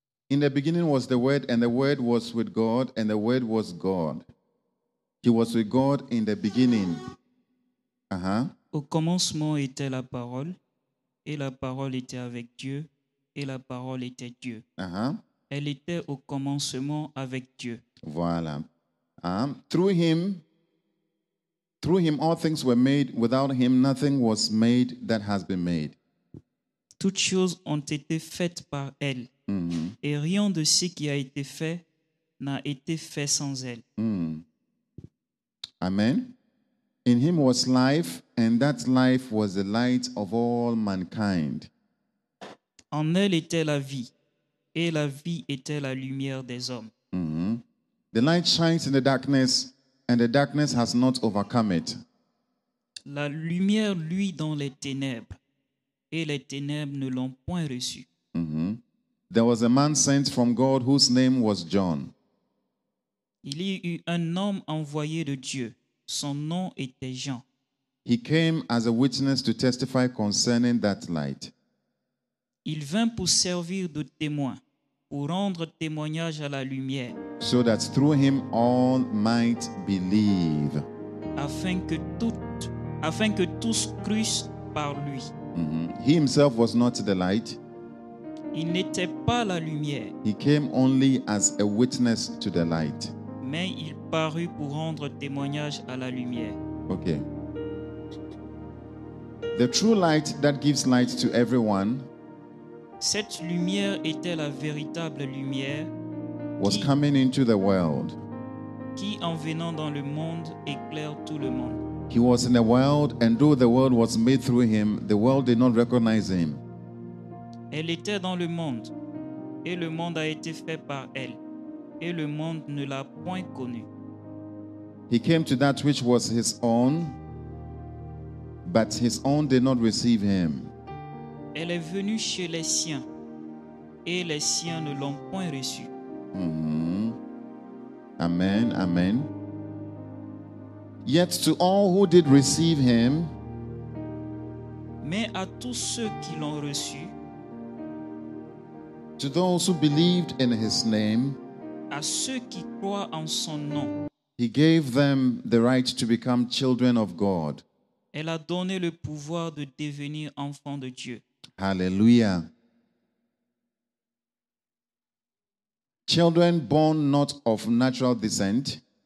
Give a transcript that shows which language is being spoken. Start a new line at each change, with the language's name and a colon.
English: In the beginning was the Word, and the Word was with God, and the Word was God. He was with God in the beginning.
French: Au commencement était la parole, et la parole était avec Dieu, et la parole était Dieu. Elle était au commencement avec Dieu. Voilà.
English: Through him, all things were made. Without him, nothing was made that has been made.
French: Toutes choses ont été faites par elle. Et rien de ce qui a été fait n'a été fait sans elle.
English: Amen. In him was life, and that life was the light of all mankind.
French: En elle était la vie, et la vie était la lumière des hommes.
English: The light shines in the darkness, and the darkness has not overcome it.
French: La lumière luit dans les ténèbres, et les ténèbres ne l'ont point reçu. Mm-hmm.
English: There was a man sent from God whose name was John.
French: Il y eut un homme envoyé de Dieu. Son nom était Jean.
English: He came as a witness to testify concerning that light.
French: Il vint pour servir de témoin, pour rendre témoignage à la lumière.
English: So that through him all might believe.
French: Afin que tous crussent par lui. Mm-hmm.
English: He himself was not the light.
French: Il n'était pas la lumière.
English: He came only as a witness to the light.
French: Mais il parut pour rendre témoignage à la lumière.
English: Okay. The true light that gives light to everyone.
French: Cette lumière était la véritable lumière.
English: Was coming into the world.
French: Qui en venant dans le monde éclaire tout le monde.
English: He was in the world, and though the world was made through him, the world did not recognize him.
French: Elle était dans le monde, et le monde a été fait par elle, et le monde ne l'a point connue.
English: He came to that which was his own, but his own did not receive him.
French: Elle est venue chez les siens, et les siens ne l'ont point reçue.
English: Mm-hmm. Amen, amen. Yet to all who did receive him,
French: mais à tous ceux qui l'ont reçu,
English: to those who believed in his name,
French: à ceux qui croient en son nom,
English: he gave them the right to become children of God.
French: Elle a donné le pouvoir de devenir enfant de Dieu.
English: Hallelujah. Children born not of natural descent,